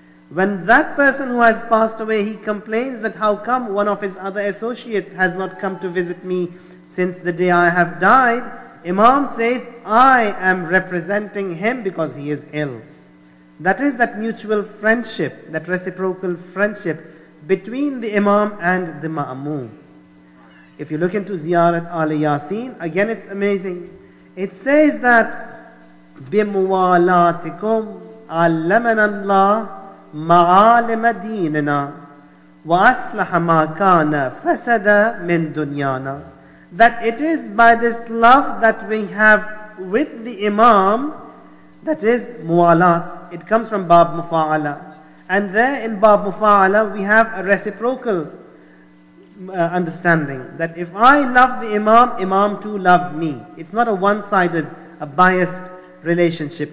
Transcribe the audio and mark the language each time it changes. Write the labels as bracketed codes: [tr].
[en] When that person who has passed away, he complains that how come one of his other associates has not come to visit me since the day I have died, Imam says, I am representing him because he is ill. That is that mutual friendship, that reciprocal friendship between the Imam and the Ma'amum. If you look into Ziyarat Ali Yasin, again it's amazing. [ar] It says that بِمُوَالَاتِكُمْ عَلَّمَنَا اللَّهِ مَعَالِمَ دِينِنَا وَأَصْلَحَ مَا كَانَ فَسَدَ مِن دُنْيَانَا. [en] That it is by this love that we have with the Imam, that is muwalat. It comes from Bab Mufa'ala. And there in Bab Mufa'ala, we have a reciprocal understanding. That if I love the Imam, Imam too loves me. It's not a one-sided, a biased relationship.